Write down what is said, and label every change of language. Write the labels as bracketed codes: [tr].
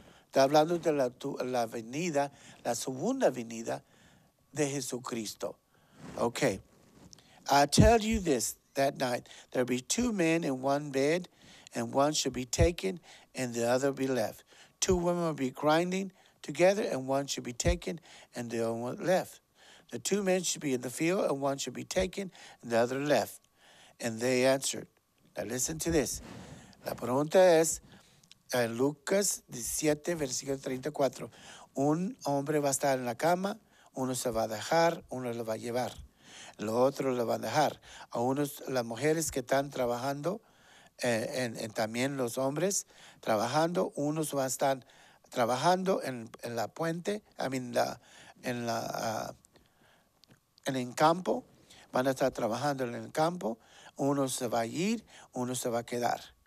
[es] Está hablando de la venida, la segunda venida de Jesucristo. [en] Okay. I tell you this, that night, there will be two men in one bed, and one should be taken, and the other be left. Two women will be grinding together, and one should be taken, and the other one left. The two men should be in the field, and one should be taken, and the other left. And they answered. Now listen to this. [es] La pregunta es, en Lucas 17, versículo 34, un hombre va a estar en la cama, uno se va a dejar, uno lo va a llevar. Los otros lo van a dejar. A unos, las mujeres que están trabajando, en también los hombres trabajando, unos van a estar trabajando en la puente, en el campo, van a estar trabajando en el campo, uno se va a ir, uno se va a quedar.